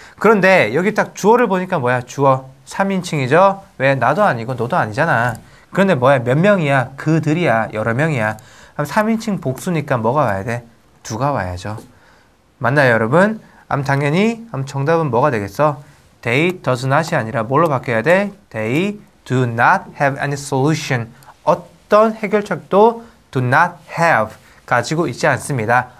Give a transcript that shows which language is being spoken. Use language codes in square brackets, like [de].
[ko] 그런데 여기 딱 주어를 보니까 뭐야? 주어. 3인칭이죠? 왜? 나도 아니고 너도 아니잖아. 그런데 뭐야? 몇 명이야? 그들이야? 여러 명이야? 그럼 3인칭 복수니까 뭐가 와야 돼? 두가 와야죠. 맞나요, 여러분? 당연히 정답은 뭐가 되겠어? [en] They does not [ko] 이 아니라 뭘로 바뀌어야 돼? [en] They do not have any solution. [ko] 어떤 해결책도 [en] do not have [ko] 가지고 있지 않습니다.